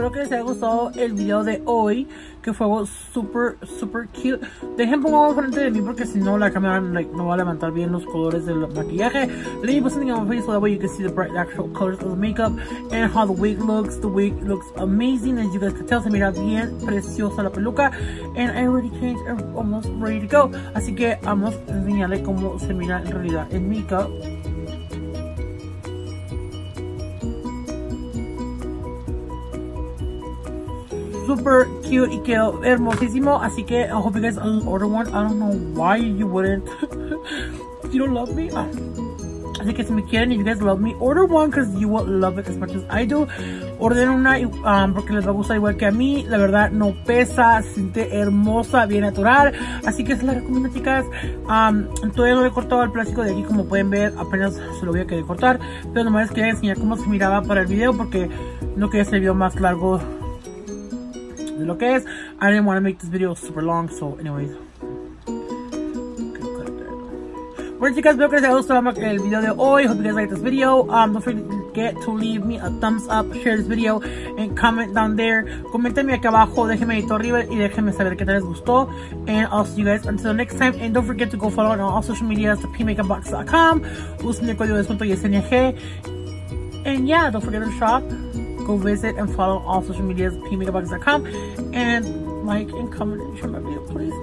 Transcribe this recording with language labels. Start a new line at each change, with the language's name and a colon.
Spanish: haya gustado el video de hoy, que fue super, super cute. Dejen pongo algo frente de mí porque si no la cámara no va a levantar bien los colores del maquillaje.
English: Leave me something on my face so that way you can see the bright actual colors of the makeup and how the wig looks. The wig looks amazing, as you guys can tell.
Spanish: Se mira bien preciosa la peluca.
English: And I already changed and almost ready to go.
Spanish: Así que vamos a enseñarle cómo se mira en realidad el makeup.
English: Super cute
Spanish: y quedó hermosísimo, así que
English: I hope you guys order one. I don't know why you wouldn't. You don't love me.
Spanish: Así que si me quieren,
English: if you guys love me, order one because you will love it as much as I do.
Spanish: Orden una porque les va a gustar igual que a mí. La verdad, no pesa, se siente hermosa, bien natural. Así que se la recomiendo, chicas. Todavía no he cortado el plástico de aquí, como pueden ver, apenas se lo voy a querer cortar. Pero nomás les quería enseñar cómo se miraba para el video porque no quería ser el video más largo de lo que es.
English: I didn't want to make this video super long, so anyways.
Spanish: Bueno, chicas, espero que les haya gustado el video de hoy.
English: Hope you guys like this video. Don't forget to leave me a thumbs up, share this video, and comment down there.
Spanish: Comentenme aquí abajo, déjenme dedito arriba y déjenme saber qué tal les gustó.
English: And I'll see you guys until next time. And don't forget to go follow on all social medias, thepmakeupbox.com.
Spanish: Usen el código de descuento YSNG.
English: And yeah, don't forget to shop. Go visit and follow all social medias, pmakeupbox.com. And like and comment and share my video, please.